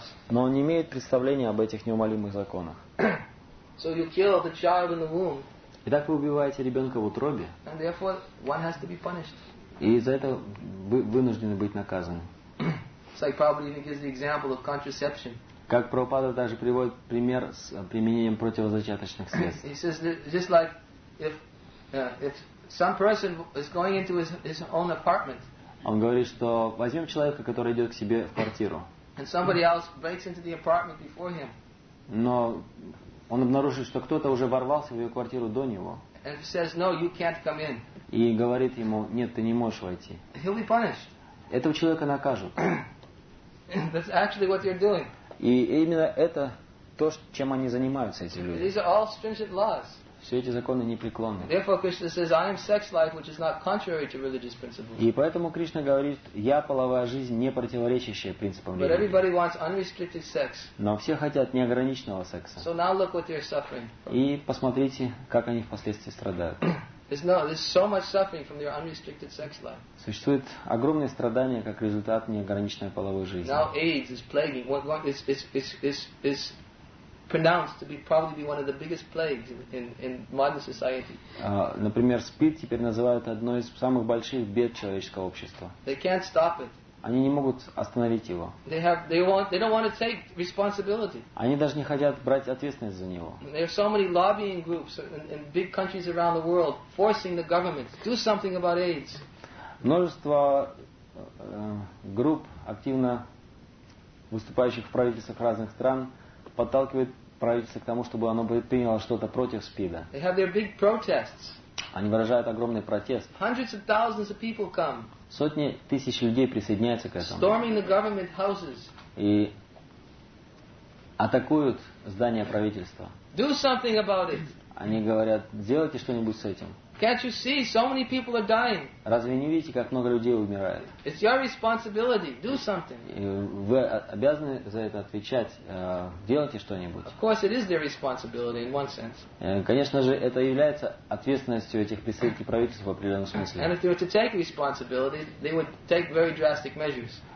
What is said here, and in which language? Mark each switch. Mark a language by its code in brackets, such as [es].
[ru] Но он не имеет представления об этих неумолимых законах. [en] So you kill the child in the womb. [ru] Итак, вы убиваете ребенка в утробе. [en] And therefore, one has to be punished. [ru] И за это вы вынуждены быть наказаны. [en] It's like Prabhupada even gives the example of contraception. [ru] Как Прабхупада даже приводит пример с применением противозачаточных средств. [en] He says that just like if some person is going into his own apartment. [ru] Он говорит, что возьмем человека, который идет к себе в квартиру. [en] And somebody else breaks into the apartment before him. [ru] Но он обнаружит, что кто-то уже ворвался в ее квартиру до него. [en] And he says, no, you can't come in. [ru] И говорит ему, нет, ты не можешь войти. [en] He'll be punished. [ru] Этого человека накажут. [en] That's actually what they're doing. [ru] И именно это то, чем они занимаются, эти люди. [en] These are all stringent laws. [ru] Все эти законы непреклонны. [en] Therefore, Krishna says, I am sex life, which is not contrary to religious principles. [ru] И поэтому Кришна говорит, я половая жизнь, не противоречащая принципам религии. [en] But everybody wants unrestricted sex. [ru] Но все хотят неограниченного секса. [en] So now look what they're suffering. [ru] И посмотрите, как они впоследствии страдают. [en] There's so much suffering from their unrestricted sex life. [ru] Существует огромное страдание как результат неограниченной половой жизни. [en] Now AIDS is plaguing. What is pronounced to be probably be one of the biggest plagues in modern society. [ru] Например, СПИД теперь называют одной из самых больших бед человеческого общества. [en] They can't stop it. [ru] Они не могут остановить его. [en] They don't want to take responsibility. [ru] Они даже не хотят брать ответственность за него. [en] There are so many lobbying groups in big countries around the world forcing the government to do something about AIDS. [ru] Множество групп активно выступающих в правительствах разных стран подталкивает правительство к тому, чтобы оно приняло что-то против СПИДа. [en] They have their big protests. [ru] Они выражают огромный протест. [en] Hundreds of thousands of people come. [ru] Сотни тысяч людей присоединяются к этому. [en] Storming the government houses. [ru] И атакуют здания правительства. [en] Do something about it. [ru] Они говорят: сделайте что-нибудь с этим. [en] Can't you see? So many people are dying. [ru] Разве не видите, как много людей умирает? [en] It's your responsibility. Do something. [ru] И вы обязаны за это отвечать. Делайте что-нибудь. [en] Of course, it is their responsibility in one sense. [ru] Конечно же, это является ответственностью этих представителей правительства в определенном смысле. [en] And if they were to take responsibility, they would take very drastic measures.